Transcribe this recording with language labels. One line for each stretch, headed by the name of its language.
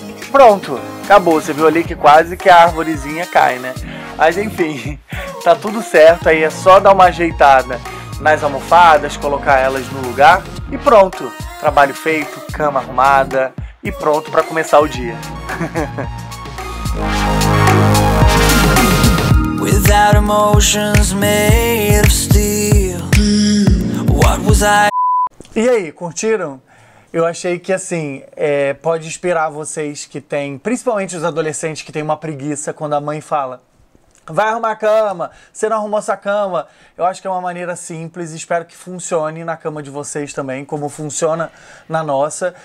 Portuguese: Pronto, acabou. Você viu ali que quase que a arvorezinha cai, né? Mas enfim, tá tudo certo, aí é só dar uma ajeitada nas almofadas, colocar elas no lugar e pronto, trabalho feito, cama arrumada e pronto para começar o dia.
English: Without emotions made of steel, what was I...
Portuguese: E aí, curtiram? Eu achei que assim, pode inspirar vocês que têm, principalmente os adolescentes que têm uma preguiça quando a mãe fala: vai arrumar a cama, você não arrumou sua cama. Eu acho que é uma maneira simples e espero que funcione na cama de vocês também, como funciona na nossa.